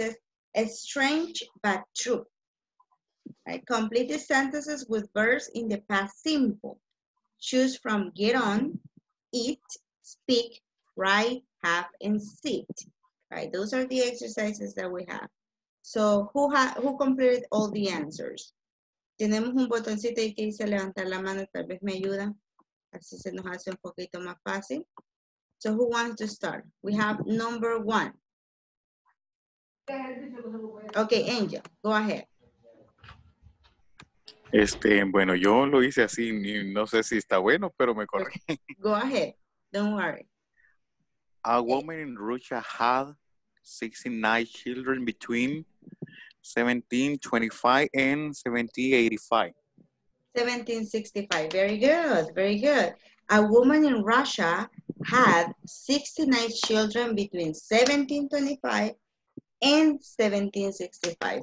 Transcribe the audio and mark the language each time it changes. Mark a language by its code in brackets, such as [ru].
[en] It says, strange but true. Right? Complete the sentences with verbs in the past simple. Choose from get on, eat, speak, write, have, and sit. Right, those are the exercises that we have. So, who completed all the answers? [es] Tenemos un botoncito ahí que dice levantar la mano, tal vez me ayuda. Así se nos hace un poquito más fácil. [en] So, who wants to start? We have number 1. Okay, Angel, go ahead. [es] Bueno, yo lo hice así, no sé si está bueno, pero me corrí. [en] Go ahead. Don't worry. A woman in Russia had 69 children between 1725 and 1785. 1765. Very good. Very good. A woman in Russia had 69 children between 1725 and 1765.